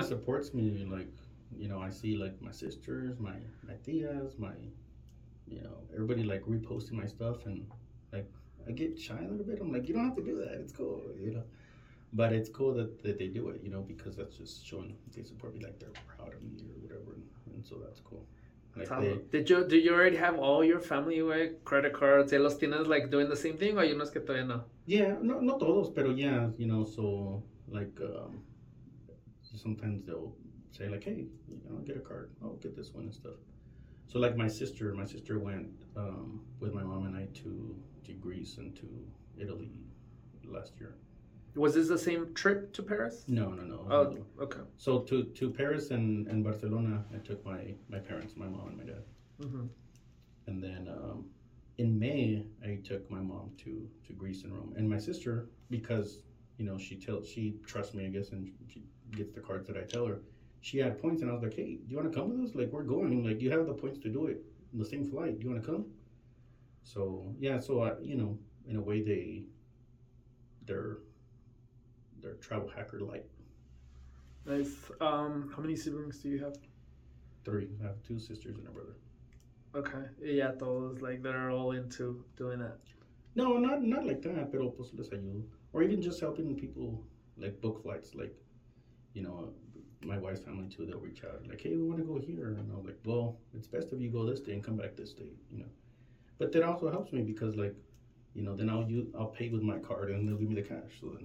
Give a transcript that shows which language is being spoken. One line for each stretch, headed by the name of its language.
English: Everybody supports me, like, you know, I see, like, my sisters, my tías, my, you know, everybody, like, reposting my stuff, and, like, I get shy a little bit. I'm like, you don't have to do that, it's cool, you know? But it's cool that they do it, you know, because that's just showing they support me, like they're proud of me or whatever, and so that's cool. Did you already have all your family with credit cards?
Spanish: ¿Los tienes
English: like doing the same thing? Or you know,
Spanish: es que todavía no.
English: Yeah,
Spanish: no todos, pero
English: yeah, you know, so like sometimes they'll say like, hey, you know, get a card, I'll get this one and stuff. So like my sister went with my mom and I to Greece and to Italy last year. Was this the same trip to Paris? No. Oh, no. Okay. So to Paris and Barcelona, I took my parents, my mom and my dad. Mm-hmm. And then in May, I took my mom to Greece and Rome. And my sister, because, you know, she trusts me, I guess, and she gets the cards that I tell her. She had points, and I was like, hey, do you want to come with us? Like, we're going. Like, you have the points to do it. In the same flight. Do you want to come? So, yeah. So, you know, in a way, they're travel hacker light. Nice. How many siblings do you have? Three. I have two sisters and a brother. Okay. Yeah,
Spanish: todos
English: like they're all into doing that. No, not like that,
Spanish: pero pues les ayudo.
English: Or even just helping people like book flights, like, you know, my wife's family too, they'll reach out like, hey, we want to go here, and I'm like, well, it's best if you go this day and come back this day, you know. But that also helps me because, like, you know, then I'll pay with my card and they'll give me the cash.